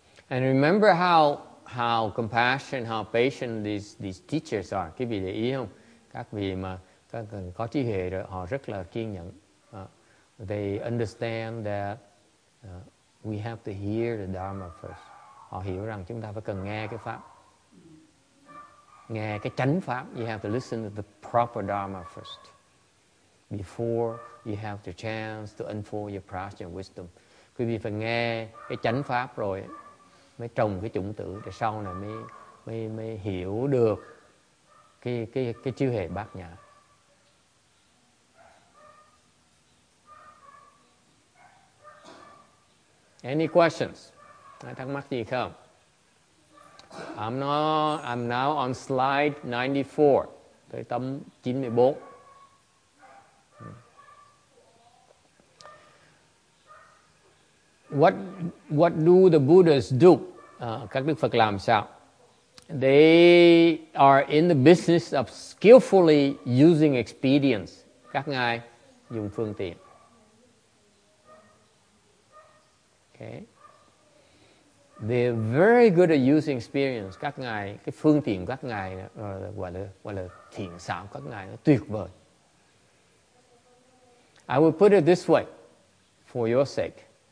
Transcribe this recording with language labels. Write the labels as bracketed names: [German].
[English] And remember how compassionate, how patient these teachers are. [Vietnamese] Quý vị để ý không? Các vị mà các cần có trí huệ rồi, họ rất là kiên nhẫn. [English] They understand that we have to hear the Dharma first. [Vietnamese] Họ hiểu rằng chúng ta phải cần nghe cái pháp. Nghe cái chánh pháp. [English] You have to listen to the proper Dharma first. Before you have the chance to unfold your prajna wisdom. [Vietnamese] Quý vị phải nghe cái chánh pháp rồi mới trồng cái chủng tử để sau này mới hiểu được cái chư hệ bát nhã. [English] Any questions? [Vietnamese] Ai thắc mắc gì không? [English] I'm now on slide 94. [Vietnamese] Tới tấm 94. [English] What do the Buddhas do? [Vietnamese] Các Đức Phật làm sao? [English] They are in the business of skillfully using expedience. [Vietnamese] Các ngài dùng phương tiện. [English] Okay. They're very good at using experience. [Vietnamese] Các ngài, cái phương tiện các ngài gọi là thiện xảo các ngài nó tuyệt vời. [English] I will put it this way, for your sake.